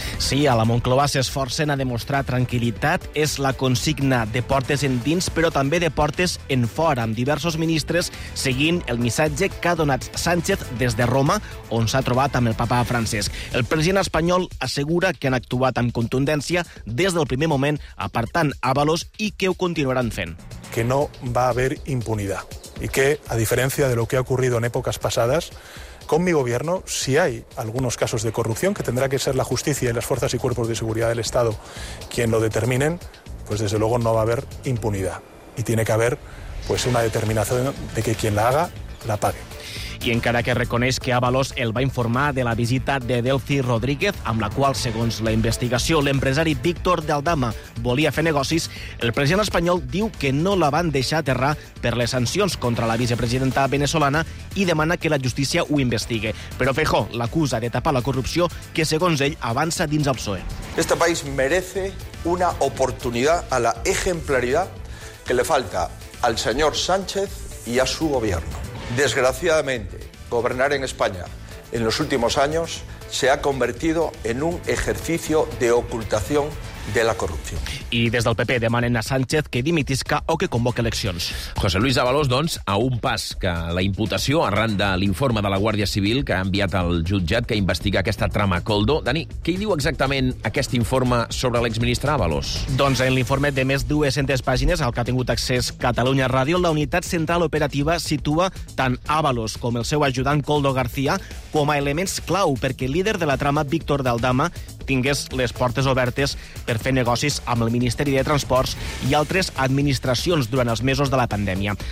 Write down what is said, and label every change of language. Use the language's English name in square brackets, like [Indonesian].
[Catalan] Sí, a la Moncloa s'esforcen a demostrar tranquil·litat. És la consigna de portes endins, però també de portes en fora, amb diversos ministres seguint el missatge que ha donat Sánchez des de Roma, on s'ha trobat amb el papa Francesc. El president espanyol assegura que han actuat amb contundència des del primer moment, apartant Ábalos, i que ho continuaran fent. Que no va haver impunitat i que, a diferència de [Spanish] lo que ha ocurrido en èpoques passades, con mi gobierno, si hay algunos casos de corrupción, que tendrá que ser la justicia y las fuerzas y cuerpos de seguridad del Estado quien lo determinen, pues desde luego no va a haber impunidad. Y tiene que haber pues una determinación de que quien la haga, la pague. [Catalan] I encara que reconeix que Ábalos el va informar de la visita de Delfi Rodríguez, amb la qual, segons la investigació, l'empresari Víctor de Aldama volia fer negocis, el president espanyol diu que no la van deixar aterrar per les sancions contra la vicepresidenta veneçolana i demana que la justícia ho investigue. Però Feijó l'acusa de tapar la corrupció que, segons ell, avança dins el PSOE. [Spanish] Este país merece una oportunidad a la ejemplaridad que le falta al señor Sánchez y a su gobierno. Desgraciadamente, gobernar en España en los últimos años se ha convertido en un ejercicio de ocultación [Catalan] de la corrupció. I des del PP demanen a Sánchez que dimitisca o que convoque eleccions. José Luis Ábalos, doncs, a un pas que la imputació arran de l'informe de la Guàrdia Civil que ha enviat al jutjat que investiga aquesta trama Koldo. Dani, què hi diu exactament aquest informe sobre l'exministre Ábalos? Doncs en l'informe de més 200 pàgines al que ha tingut accés Catalunya Ràdio, la unitat central operativa situa tant Ábalos com el seu ajudant Koldo García com a elements clau perquè el líder de la trama, Víctor d'Aldama, tingués les portes obertes per fer negocis amb el Ministeri de Transports i altres administracions durant els mesos de la pandèmia.